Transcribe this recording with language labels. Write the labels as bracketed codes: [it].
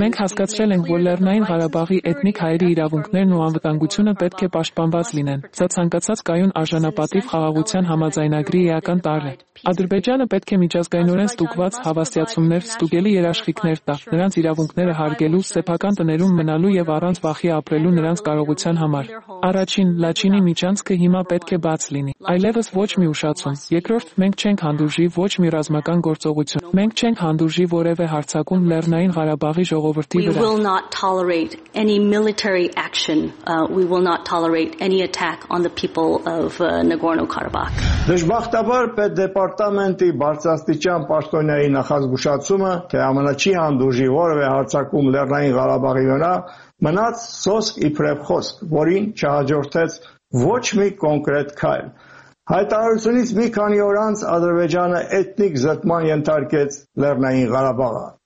[hy] մենք հասկացրել ենք, որ Լեռնային Ղարաբաղի էթնիկ հայերի իրավունքներն ու անվտանգությունը պետք է պաշտպանված լինեն։ Սա ցանկացած կայուն արժանապատիվ խաղաղության համաձայնագրի էական տարր է։ Ադրբեջանը պետք է միջազգայնորեն ստուգված հավաստիացումներ ստուգելի երաշխիքներ տա նրանց իրավունքները հարգելու, սեփական տներում մնալու և առանց վախի ապրելու նրանց կարողության համար։ Առաջին, Լաչինի միջանցքը հիմա պետք է բաց լինի, այլևս ոչ մի ուշացում։ Երկրորդ, մենք չենք հանդուրժի ոչ մի ռազմական գործողություն։ Մենք չենք հանդուրժի որևէ հարցակում Լեռնային Ղարաբաղի ժողովրդի վրա։ [en] We will not tolerate any military action. We will not tolerate any attack on the people of Nagorno-Karabakh. [hy] Դժբախտաբար պետ դեպարտամենտի բարձրաստիճան պաշտոնյայի նախազգուշացումը, թե ԱՄՆ-ի հանդուրժի որևէ հարցակում Լեռնային Ղարաբաղի վրա, մնաց սոսկ իբրև խոսք, որին չհաջորդեց ոչ մի կոնկրետ քայլ։ Հայտարարությունից մի քանի օր անց Ադրբեջանը էթնիկ զտման ենթարկեց Լեռնային Ղարաբաղը։